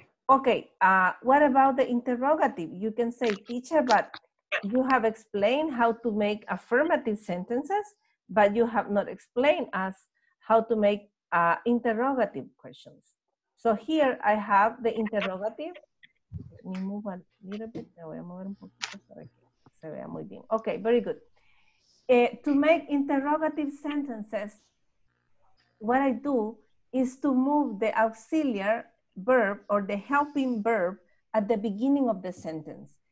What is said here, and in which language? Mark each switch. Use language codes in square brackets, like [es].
[en] Okay, what about the interrogative? You can say, teacher, but you have explained how to make affirmative sentences, but you have not explained us how to make interrogative questions. So here I have the interrogative. Let me move a little bit. [es] Me voy a mover un poquito para que se vea muy bien. [en] Okay, very good. To make interrogative sentences, what I do is to move the auxiliary verb or the helping verb at the beginning of the sentence.